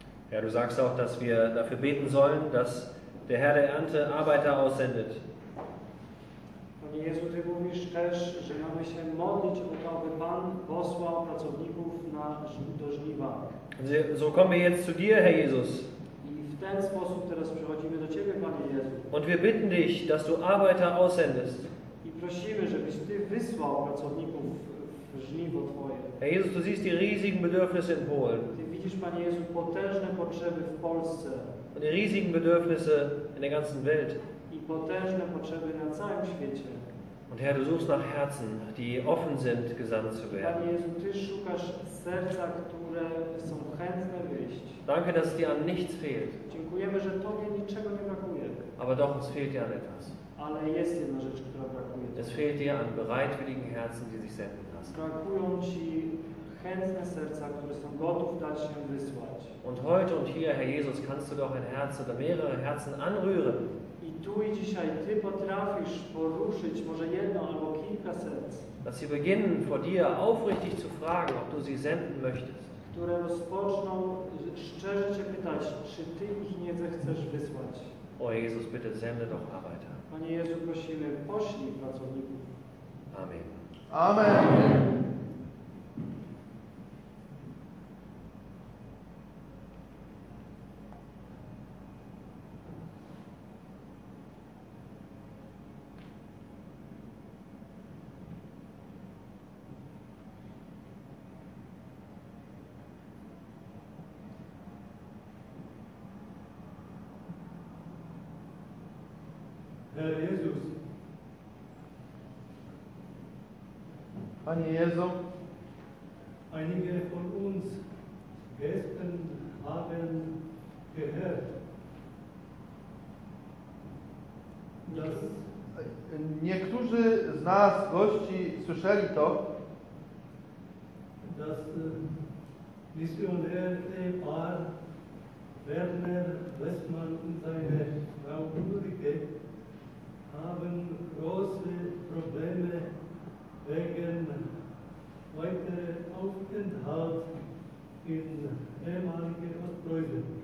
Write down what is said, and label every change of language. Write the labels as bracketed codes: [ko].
[de] Ja, du sagst auch, dass wir dafür beten sollen, dass der Herr der Ernte Arbeiter aussendet. Und Jesus, der wo wir stehen. [pl] też, że mamy się modlić o to, aby Pan posłał pracowników na, do żniwa. [de] So kommen wir jetzt zu dir, Herr Jesus. [pl] I w ten sposób teraz przychodzimy do Ciebie, Panie Jezu. [de] Und wir bitten dich, dass du Arbeiter aussendest. [pl] I prosimy, żebyś Ty wysłał pracowników w żniwo Twoje. [de] Herr Jesus, du siehst die riesigen Bedürfnisse in Polen. [pl] Ty widzisz, Panie Jezu, potężne potrzeby w Polsce. [de] Und die riesigen Bedürfnisse in der ganzen Welt. [pl] I potężne potrzeby na całym świecie. [de] Und Herr, du suchst nach Herzen, die offen sind, gesandt zu werden. [pl] Panie Jezu, Ty szukasz serca, które są chętne wyjść. [de] Danke, dass dir an nichts fehlt. [pl] Dziękujemy, że Tobie niczego nie brakuje. [de] Aber doch, es fehlt dir an etwas. [pl] Ale jest jedna rzecz, która brakuje. [de] Es fehlt dir an bereitwilligen Herzen, die sich senden lassen. [pl] Brakują Ci chętne serca, które są gotów dać się wysłać. [de] Und heute und hier, Herr Jesus, kannst du doch ein Herz oder mehrere Herzen anrühren. [pl] I tu i dzisiaj Ty potrafisz poruszyć może jedno albo kilka serc. [de] Dass sie beginnen, vor dir aufrichtig zu fragen, ob du sie senden möchtest. [pl] Które rozpoczną szczerze Cię pytać, czy Ty ich nie zechcesz wysłać. [de] O Jezus, bitte sende doch Arbeiter. [pl] Panie Jezu, prosimy, poślij pracowników. [de] Amen. [pl] Amen. Panie Jezu, [de] einige von uns Gästen haben gehört, dass [pl] niektórzy z nas, gości, słyszeli to, [de] dass Missionär Ehepaar Werner Westmann und seine Frau Ulrike haben große Probleme wegen weitere Aufenthalt in ehemaligen Ostpreußen.